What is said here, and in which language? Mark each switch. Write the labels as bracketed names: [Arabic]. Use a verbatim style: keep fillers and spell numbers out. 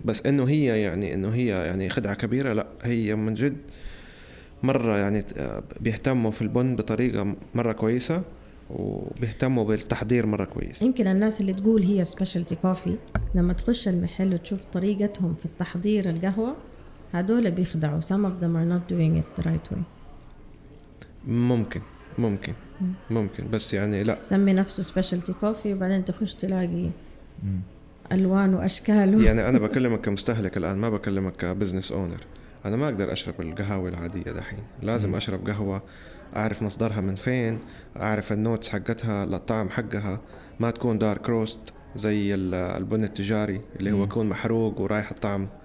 [Arabic] بس انه هي يعني انه هي يعني خدعه كبيره، لا هي من جد مره يعني بيهتموا في البن بطريقه مره كويسه، وبيهتموا بالتحضير مره كويس. يمكن الناس اللي تقول هي سبيشالتي كوفي لما تخش المحل وتشوف طريقتهم في التحضير القهوه، هذول بيخدعوا. [English] some of them are not doing it the right way. [Arabic] ممكن ممكن ممكن بس يعني لا، سمي نفسه سبيشالتي كوفي وبعدين تخش تلاقي الوان واشكال. يعني انا بكلمك كمستهلك الان، ما بكلمك كبزنس اونر. انا ما اقدر اشرب القهاوي العاديه دحين، لازم اشرب قهوه اعرف مصدرها من فين، اعرف النوتس حقتها، الطعم حقها، ما تكون دارك روست زي البن التجاري اللي هو يكون محروق ورايح الطعم.